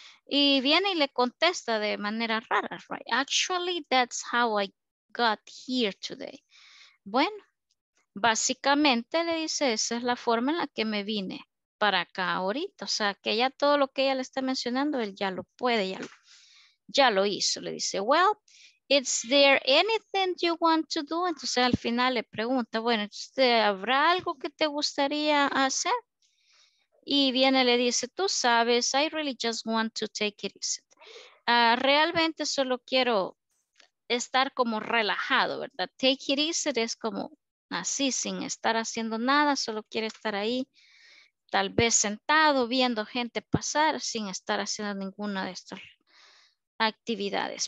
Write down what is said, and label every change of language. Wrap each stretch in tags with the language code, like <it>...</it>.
<es>Y viene y le contesta de manera rara,</es> <en>right? Actually, that's how I got here today.</en> <es>Bueno, básicamente le dice, esa es la forma en la que me vine para acá ahorita. O sea, que ya todo lo que ella le está mencionando, él ya lo puede, ya lo hizo. Le dice,</es> <en>well, is there anything you want to do?</en> <es>Entonces al final le pregunta, bueno, ¿habrá algo que te gustaría hacer? Y viene y le dice, tú sabes,</es> <en>I really just want to take it easy.</en> <es>Realmente solo quiero estar como relajado, ¿verdad?</es> <en>Take it easy</en> <es>es como así, sin estar haciendo nada, solo quiere estar ahí, tal vez sentado, viendo gente pasar, sin estar haciendo ninguna de estas actividades.</es>